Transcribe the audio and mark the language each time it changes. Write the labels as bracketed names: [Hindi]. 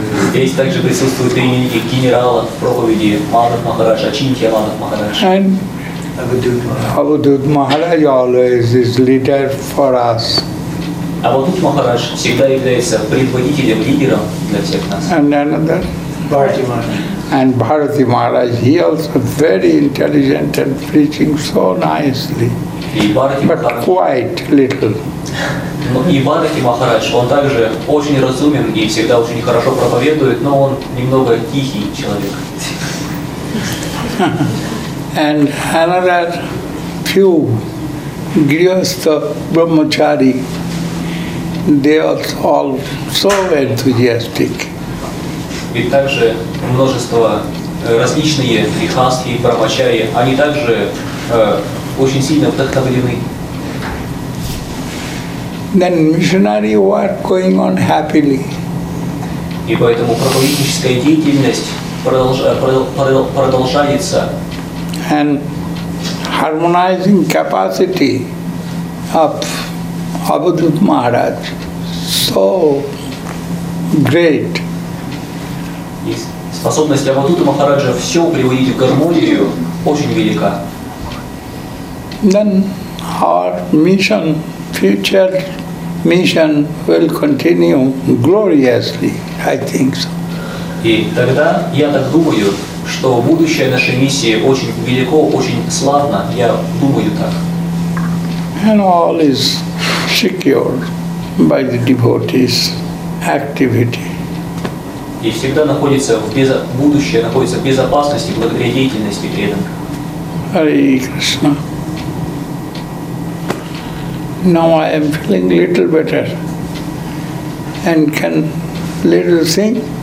[Russian] Здесь также присутствуют три великих генерала в проповеди Мадхав Махарадж, Ачинтья Мадхав Махарадж. [English] And Avadhut Maharaj always is leader for us. [Russian] Avadhut Maharaj всегда является предводителем, лидером для всех нас. [English] And another? Bharati Maharaj. And Bharati Maharaj, he also very intelligent and preaching so nicely. But quite little. [Russian] И Бхарати Махарадж, он также очень разумен и всегда очень хорошо проповедует, но он немного тихий человек. [English] And another few Grihastha Brahmachari, they are all so enthusiastic. [Russian] И также множество различные Грихастхи, Брахмачари, они также очень сильно вдохновлены. [English] Then missionary work going on happily. [Russian] И поэтому проповедническая деятельность продолжается. [English] And harmonizing capacity of Avadhut Maharaj so great. [Russian] И способность Авадута Махараджа все приводить в гармонию очень велика. [English] Then our mission future. Mission will continue gloriously, I think so. [Russian] И тогда я так думаю, что будущее нашей миссии очень велико, очень славно. Я думаю так. [English] And all is secured by the devotee's activity. [Russian] И всегда находится в будущее находится в безопасности благодаря деятельности преданных. [Sanskrit] Hare Krishna. [English] Now I am feeling little better and can little sing.